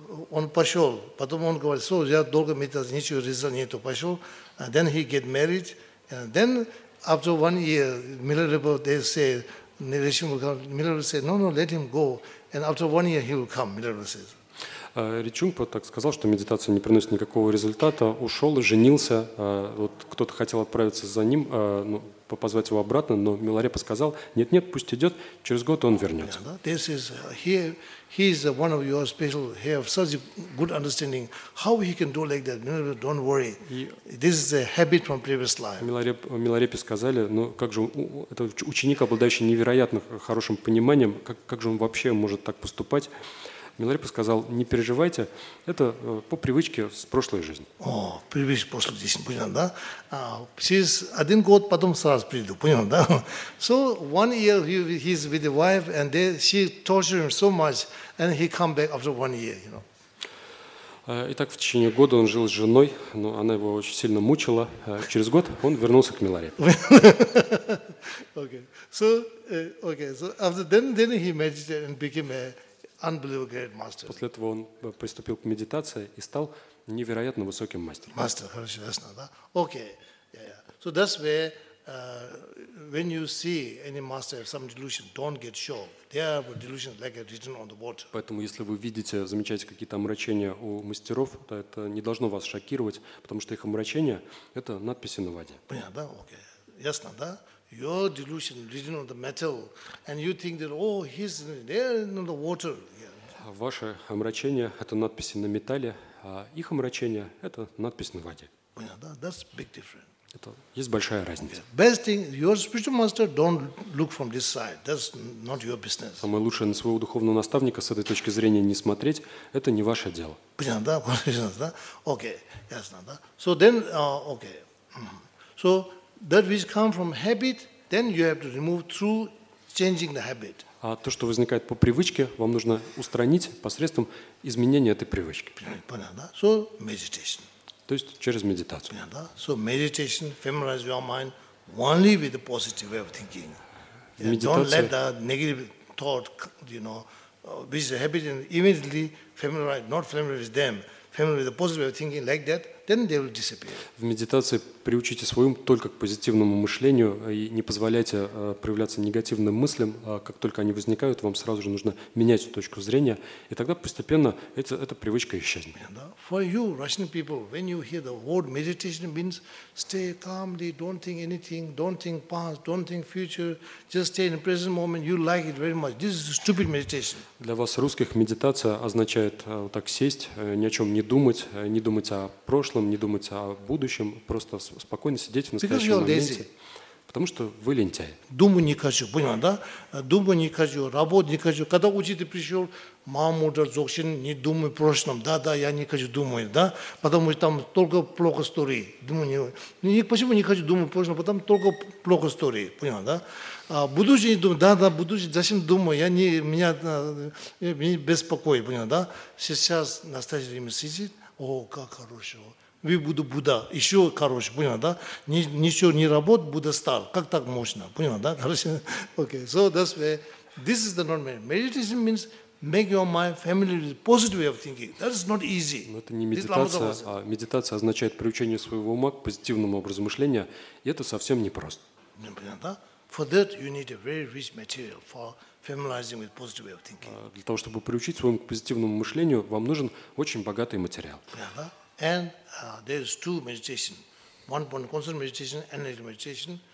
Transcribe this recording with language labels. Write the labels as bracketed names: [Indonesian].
[Russian] Он пошел, потом он говорит, что я долго метался, ничего риза нету, пошел. [English] And then he get married. And then after 1 year, Milarepa said, no, let him go. And after 1 year, he will come, Milarepa says. [Russian] Ричунгпа так сказал, что медитация не приносит никакого результата, ушел, женился. Вот кто-то хотел отправиться за ним, позвать его обратно, но Миларепа сказал, нет, пусть идет, через год он вернется. [English] This is he is one of your special, he have such a good understanding, how he can do like that, don't worry. This is a habit from previous life. [Russian] Миларепе сказали, как же это ученик, обладающий невероятно хорошим пониманием, как же он вообще может так поступать? Миларепа сказал, не переживайте, это по привычке с прошлой жизни. О, привычка с прошлой жизни, понятно, да? Через 1 год потом сразу приду, понятно, да? [English] So, 1 year he's with the wife, and she tortured him so much, and he come back after 1 year, you know. [Russian] Итак, в течение года он жил с женой, но она его очень сильно мучила. Через год он вернулся к Миларепе. Okay. [English] So, after then he meditated and became a unbelievable great master. [Russian] После этого он приступил к медитации и стал невероятно высоким мастером. Master, хорошо, ясно, да? Okay, yeah. [English] So that's where, when you see any master have some delusion, don't get shocked. They have a delusion like written on the water. [Russian] Поэтому, если вы видите, замечаете какие-то омрачения у мастеров, то это не должно вас шокировать, потому что их омрачения – это надписи на воде. Понятно, да? Okay, ясно, да? [English] Your delusion written on the metal, and you think that oh, he's there in the water. [Russian] Ваше омрачение – это надписи на металле, а их омрачение – это надпись на воде. Понятно, да? [English] That's a big difference. [Russian] Это есть большая разница. Okay. [English] Best thing, your spiritual master don't look from this side. That's not your business. [Russian] Самое лучшее на своего духовного наставника с этой точки зрения не смотреть – это не ваше дело. Понятно, да? Okay, ясно, да? [English] So then, okay. So that which come from habit, then you have to remove through changing the habit. [Russian] А то, что возникает по привычке, вам нужно устранить посредством изменения этой привычки. Понятно, да? [English] So meditation. [Russian] То есть через медитацию. Понятно, да? [English] So meditation familiarize your mind only with the positive way of thinking. Don't let the negative thought, you know, which is happening immediately, family right, not family with them, family with the positive thinking like that, then they will disappear. [Russian] В медитации приучите свой ум только к позитивному мышлению и не позволяйте проявляться негативным мыслям. Как только они возникают, вам сразу же нужно менять точку зрения, и тогда постепенно эта привычка исчезнет. [English] For you, Russian people, when you hear the word meditation means stay calmly, don't think anything, don't think past, don't think future, just stay in the present moment, you like it very much. This is a stupid meditation. [Russian] Для вас, русских, медитация означает так сесть, ни о чем не думать, не думать о прошлом, не думать о будущем, просто спокойно сидеть в настоящем моменте, потому что вы лентяй. Думу не хочу, понял, да? Думу не хочу, работу не хочу. Когда учитель пришел, маму даже зовшин, не думай о прошлом, да-да, я не хочу думать, да? Потому что там только плохо истории. Думаю, не, почему не хочу думать о прошлом, потому что только плохо истории, понял, да? А будущее не думаю, да-да, будущее, зачем думаю, я не, меня беспокоит, понял, да? Сейчас настоящее время сидит, о, как хорошо. Вы буду Будда, еще короче, понял, да? Ничего не работает, Будда стал. Как так можно? Понял, да? Короче, okay. [English] So that's why this is the normal. Meditation means make your mind family with positive way of thinking. That is not easy. [Russian] Но это не медитация, а медитация означает приучение своего ума к позитивному образу мышления, и это совсем непросто. Понял, да? [English] For that you need a very rich material for familiarizing with positive way of thinking. [Russian] Для того, чтобы приучить свой ум к позитивному мышлению, вам нужен очень богатый материал. Понял, да? [English] And there is two meditation, one point concentration meditation, analytic meditation.